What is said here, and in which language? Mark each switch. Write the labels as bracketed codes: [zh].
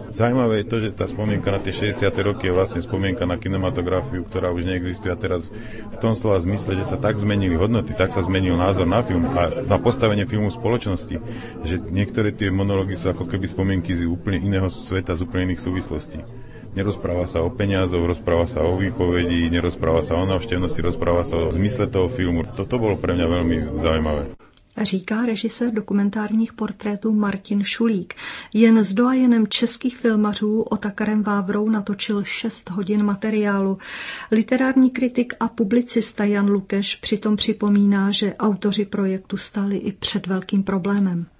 [cs] Zajímavé je to, že ta vzpomínka na ty 60. roky je vlastně vzpomínka na kinematografii, která už neexistuje a teraz v tom slova zmysle, že se tak zmenili hodnoty, tak se zmenil názor na film a na postavení filmu společnosti, že některé ty monology jsou jako keby vzpomínky z úplně jiného světa, z úplně jiných souvislostí. [sk] Nerozpráva sa o peniazoch, rozpráva sa o výpovedi, nerozpráva sa o návštevnosti, rozpráva sa o zmysle toho filmu. Toto bolo pre mňa veľmi zaujímavé. [cs] Říká režisér dokumentárních portrétů Martin Šulík. Jen s doajenem českých filmařů Otakarem Vávrou natočil 6 hodin materiálu. Literární kritik a publicista Jan Lukeš přitom připomíná, že autoři projektu stáli i před velkým problémem.